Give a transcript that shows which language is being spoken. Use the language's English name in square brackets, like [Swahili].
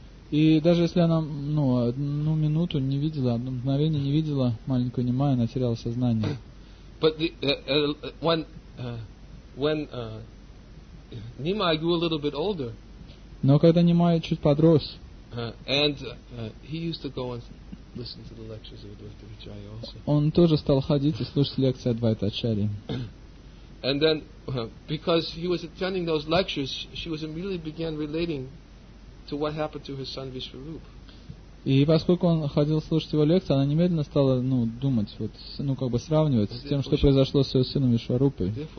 [Russian] И даже если она одну минуту не видела, одно мгновение не видела маленького Нимая, она теряла сознание. [English] But when Nimai grew a little bit older, [Russian] но когда Нимай чуть подрос, [English] he used to go and listen to the lectures of Advaita Acharya also. [Russian] Он тоже стал ходить и слушать лекции Адвайта Ачарьи. [English] And then, because he was attending those lectures, she was immediately began relating to what happened to her son Vishwarupa. [Russian] И поскольку он ходил слушать его лекции, она немедленно стала думать, сравнивать с тем, что произошло с ее сыном Вишварупой.